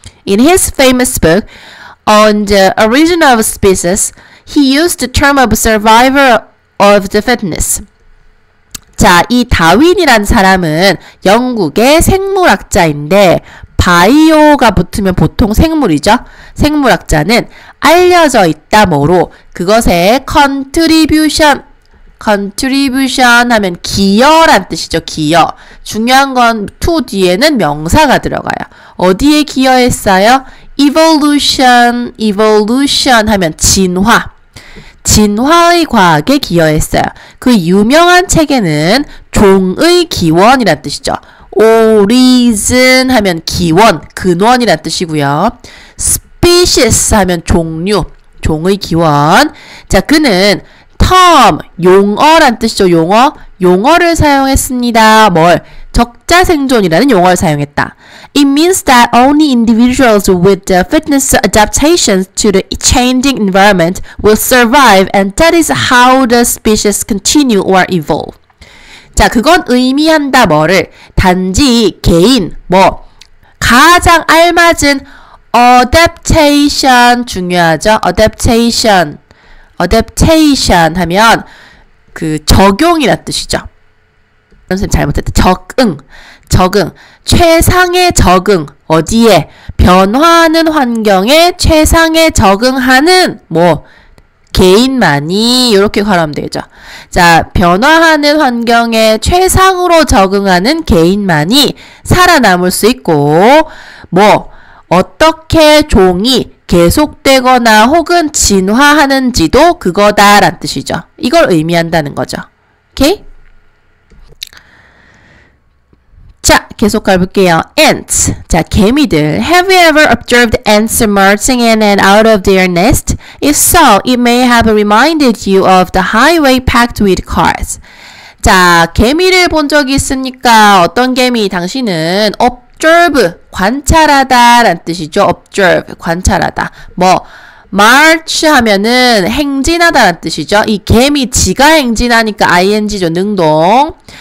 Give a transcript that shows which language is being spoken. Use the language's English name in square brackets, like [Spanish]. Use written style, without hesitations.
[English] In his famous book, On the Origin of Species, he used the term of survival of the fittest. [Korean] 자, 이 다윈이란 사람은 영국의 생물학자인데 바이오가 붙으면 보통 생물이죠. 생물학자는 알려져 있다 뭐로 그것의 컨트리뷰션 하면 기여란 뜻이죠. 기여. 중요한 건 to 뒤에는 명사가 들어가요. 어디에 기여했어요? evolution 하면 진화. 진화의 과학에 기여했어요. 그 유명한 책에는 종의 기원이란 뜻이죠. Origin 하면 기원, 근원이란 뜻이고요. Species 하면 종류, 종의 기원. 자, 그는 term, 용어란 뜻이죠. 용어, 용어를 사용했습니다. 뭘? 적자 생존이라는 용어를 사용했다. [English] It means that only individuals with the fitness adaptations to the changing environment will survive, and that is how the species continue or evolve. [Korean] 자, 그건 의미한다, 뭐를? 단지 개인, 뭐, 가장 알맞은 adaptation 중요하죠. adaptation. adaptation 하면 그 적용이란 뜻이죠. 선생님 잘못했다. 적응. 적응. 최상의 적응. 어디에? 변화하는 환경에 최상의 적응하는 뭐 개인만이 이렇게 가라면 되죠. 자, 변화하는 환경에 최상으로 적응하는 개인만이 살아남을 수 있고 뭐 어떻게 종이 계속되거나 혹은 진화하는지도 그거다란 뜻이죠. 이걸 의미한다는 거죠. 오케이? 자, 계속 가볼게요. Ants. 자, 개미들. [English] Have you ever observed ants emerging in and out of their nest? If so, it may have reminded you of the highway packed with cars. [Korean] 자, 개미를 본 적이 있습니까? 어떤 개미? 당신은 observe, 관찰하다 라는 뜻이죠. observe, 관찰하다. 뭐, march 하면은 행진하다 라는 뜻이죠. 이 개미 지가 행진하니까 ing죠. 능동.